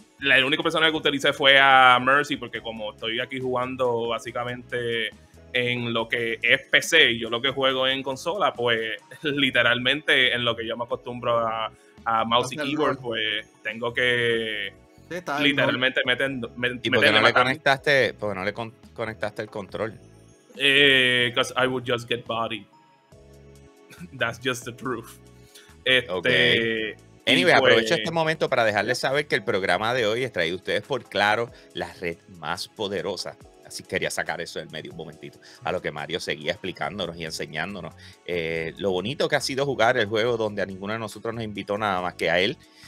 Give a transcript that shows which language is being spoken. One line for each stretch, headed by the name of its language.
Spanish: El único personaje que utilicé fue a Mercy, porque como estoy aquí jugando básicamente en lo que es PC y yo lo que juego en consola, pues literalmente en lo que yo me acostumbro a mouse y keyboard, pues tengo que literalmente meter... ¿Y por qué no le conectaste el control?
English: Because I would just get bodied. That's just the truth. Okay.
Spanish: Anyway, aprovecho este momento para dejarles saber que el programa de hoy es traído a ustedes por Claro, la red más poderosa. Así quería sacar eso del medio un momentito. A lo que Mario seguía explicándonos y enseñándonos. Lo bonito que ha sido jugar el juego donde a ninguno de nosotros nos invitó nada más que a él.